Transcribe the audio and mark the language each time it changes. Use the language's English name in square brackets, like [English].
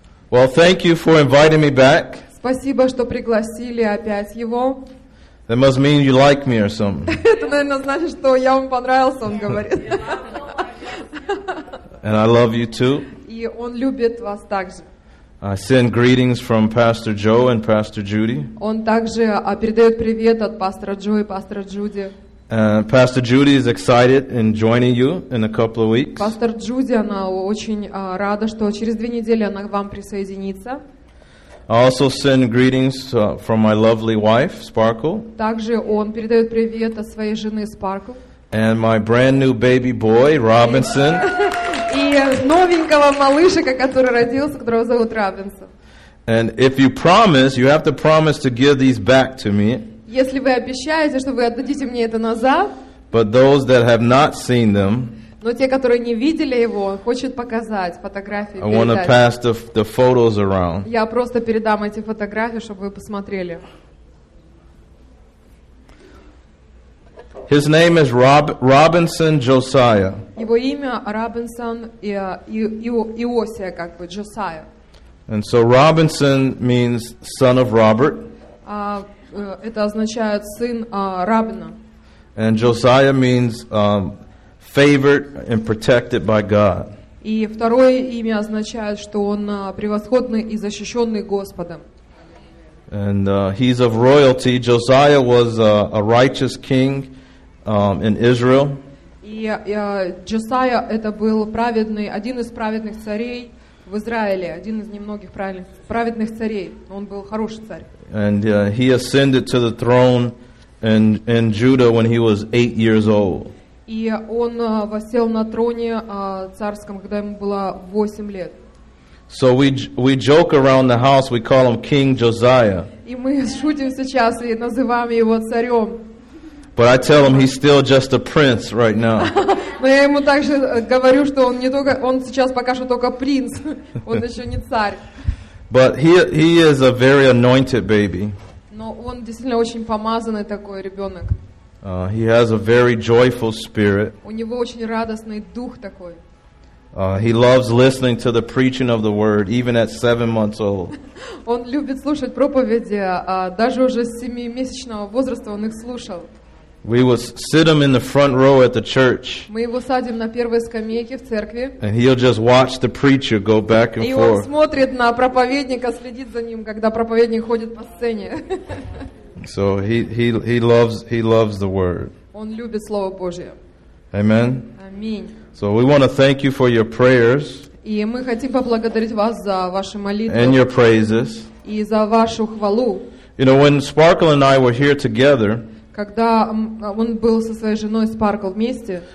[English] Well, thank you for inviting me back. [Russian] Спасибо, что пригласили опять его. [English] That must mean you like me or something. [Russian] Это, наверное, значит, что я вам понравился, он говорит. [English] And I love you too. [Russian] И он любит вас также. [English] I send greetings from Pastor Joe and Pastor Judy. [Russian] Он также передает привет от пастора Джо и пастора Джуди. [English] Pastor Judy is excited in joining you in a couple of weeks. [Russian] Пастор Джуди, она очень рада, что через две недели она к вам присоединится. [English] I also send greetings from my lovely wife, Sparkle. [Russian] Также он передает привет от своей жены Sparkle. [English] And my brand new baby boy, Robinson. [Russian] И новенького малышика, который родился, которого зовут Робинсон. [English] And if you promise, you have to promise to give these back to me. [Russian] Если вы обещаете, что вы отдадите мне это назад. [English] But those that have not seen them. [Russian] Но те, которые не видели его, хочет показать фотографии. [English] I want to pass the photos around. [Russian] Я просто передам эти фотографии, чтобы вы посмотрели. [English] His name is Robinson Josiah. [Russian] Его имя Робинсон Иосия, как бы Джосия. [English] And so Robinson means son of Robert. [Russian] Это означает сын Робина. [English] And Josiah means favored and protected by God. [Russian] И второе имя означает, что он превосходный и защищенный Господом. [English] And he's of royalty. Josiah was a righteous king in Israel. [Russian] И Джосия это был праведный, один из праведных царей в Израиле, один из немногих праведных царей. Он был хороший царь. [English] And he ascended to the throne in Judah when he was 8 years old. [Russian] И он восел на троне царском, когда ему было 8 лет. [English] So we joke around the house, we call him King Josiah. [Russian] И мы шутим сейчас и называем его царем. [English] But I tell him he's still just a prince right now. [Russian] Но я ему также говорю, что он не только он сейчас пока что только принц, он еще не царь. [English] But he is a very anointed baby. [Russian] Но он действительно очень помазанный такой ребенок. [English] He has a very joyful spirit. [Russian] У него очень радостный дух такой. [English] He loves listening to the preaching of the word, even at 7 months old. [Russian] Он любит слушать проповеди, даже уже с 7-месячного возраста он их слушал. [English] We would sit him in the front row at the church. [Russian] Мы его садим на первой скамейке в церкви. [English] And he'll just watch the preacher go back and forth. [Russian] И он смотрит на проповедника, следит за ним, когда проповедник ходит по сцене. [English] So he loves the word. [Russian] Он любит слово Божье. [English] Amen. [Russian] Аминь. [English] So we want to thank you for your prayers. [Russian] И мы хотим поблагодарить вас за ваши молитвы. [English] And your praises. [Russian] И за вашу хвалу. [English] You know, when Sparkle and I were here together. [Russian] Когда он был со своей женой Sparkle вместе.